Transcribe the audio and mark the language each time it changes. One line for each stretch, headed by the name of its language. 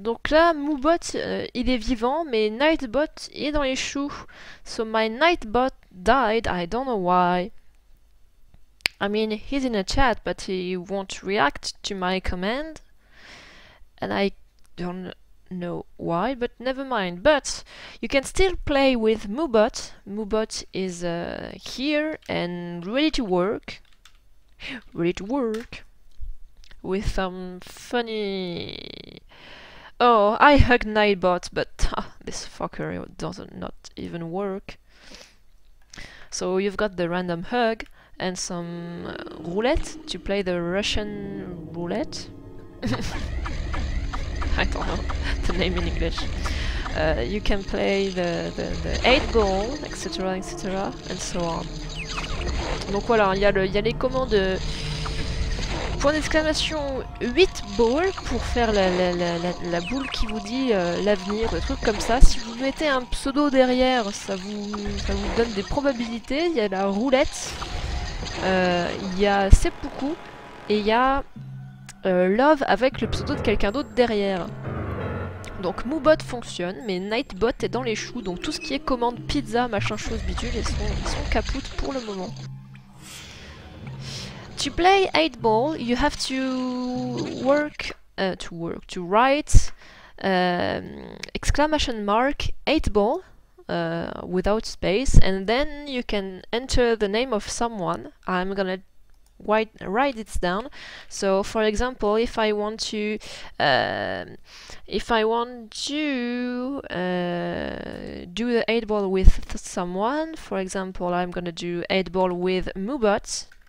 French: Là, Moobot il est vivant, mais Nightbot est dans les choux.
English: So my Nightbot died, I don't know why. I mean, he's in a chat, but he won't react to my command. And I don't know why, but never mind. But you can still play with Moobot. Moobot is here and ready to work. Ready to work. With some funny Oh, I hugged Nightbot, but this fuckery doesn't not even work. So you've got the random hug and some roulette to play the Russian roulette. I don't know the name in English. You can play the 8 ball, etc., etc., and so on.
French: Donc voilà, il y a les commandes de point d'exclamation 8 ball pour faire la boule qui vous dit l'avenir, des trucs comme ça. Si vous mettez un pseudo derrière, ça vous donne des probabilités. Il y a la roulette, il y a seppuku et il y a love avec le pseudo de quelqu'un d'autre derrière. Donc Moobot fonctionne, mais Nightbot est dans les choux, donc tout ce qui est commande pizza, machin, chose, bidule, ils sont capoutes pour le moment.
English: To play 8 ball, you have to write exclamation mark 8 ball without space, and then you can enter the name of someone. I'm gonna write it down. So, for example, if I want to do the 8 ball with someone, for example, I'm gonna do 8 ball with Moobot.